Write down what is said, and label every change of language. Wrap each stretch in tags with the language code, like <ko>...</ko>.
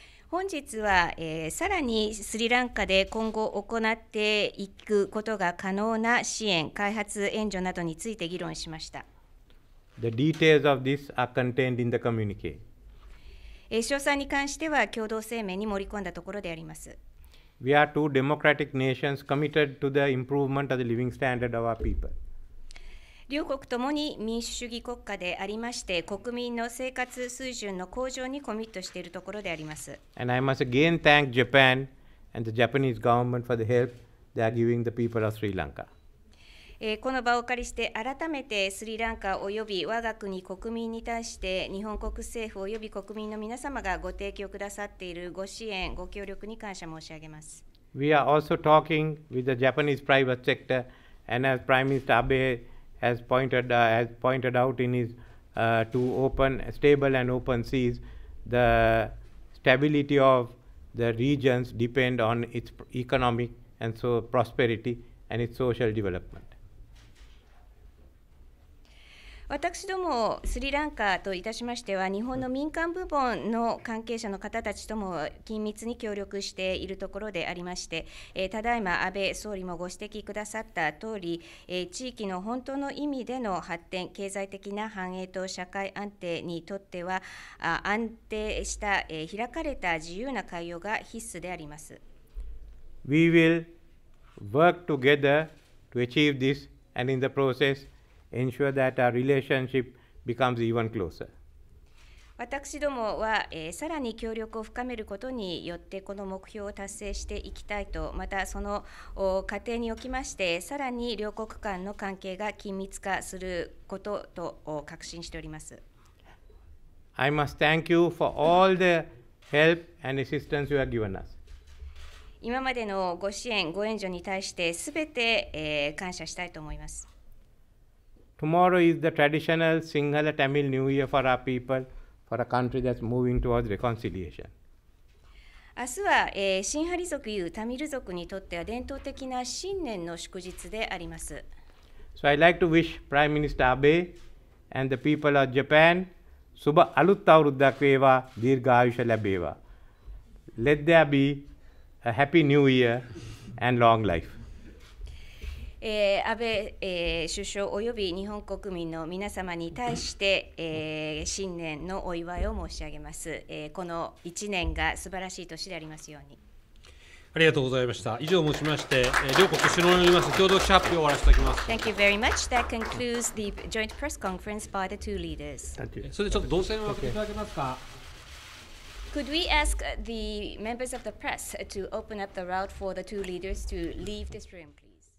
<ja>本日は、さらにスリランカで今後行っていくことが可能な支援、開発援助などについて議論しました。</ja> <en>The details of this are contained in the communique.</en> <ja>詳細に関しては共同声明に盛り込んだところであります。</ja> <en>We are two democratic nations committed to the improvement of the living standard of our people.</en> <ja>両国ともに民主主義国家でありまして、国民の生活水準の向上にコミットしているところであります。</ja> <en>And I must again thank Japan and the Japanese government for the help they are giving the people of Sri Lanka.</en> <ja>この場をお借りして、改めてスリランカおよび我が国国民に対して、日本国政府および国民の皆様がご提供くださっているご支援、ご協力に感謝申し上げます。</ja> <en>We are also talking with the Japanese private sector and as Prime Minister Abe. As pointed out in his to open stable and open seas, the stability of the regions depend on its economic and so prosperity and its social development.</en> <ja>私どもスリランカといたしましては、日本の民間部門の関係者の方たちとも緊密に協力しているところでありまして、ただいま安倍総理もご指摘くださった通り、地域の本当の意味での発展、経済的な繁栄と社会安定にとっては、安定した、開かれた自由な海洋が必須であります。</ja> <en>We will work together to achieve this and in the process,ensure that our relationship becomes even closer.</en> <ja>私どもは、さらに協力を深めることによってこの目標を達成していきたいと、またその過程におきましてさらに両国間の関係が緊密化することと確信しております。</ja> <en>I must thank you for all the help and assistance you have given us.</en> <ja>今までのご支援、ご援助に対してすべて、感謝したいと思います。</ja> <en>Tomorrow is the traditional Sinhala Tamil New Year for our people, for a country that's moving towards reconciliation. 明日は、シンハリ族いうタミル族にとっては伝統的な新年の祝日であります。 So I'd like to wish Prime Minister Abe and the people of Japan,</en> <si>Suba Alutta Uruddak Veva, Dirga Ayusha Labeva.</si> <en>Let there be a happy new year and long life.</en> <ja>安倍、首相および日本国民の皆様に対して、新年のお祝いを申し上げます、この1年が素晴らしい年でありますようにありがとうございました以上をもちまして、両国首脳によります共同記者発表を終わらせていただきます</ja> <en>Thank you very much That concludes the joint press conference by the two leaders</en> <ja>それでちょっと動線を分けていただけますか、</ja> <en>Could we ask the members of the press to open up the route for the two leaders to leave this room, please?</en>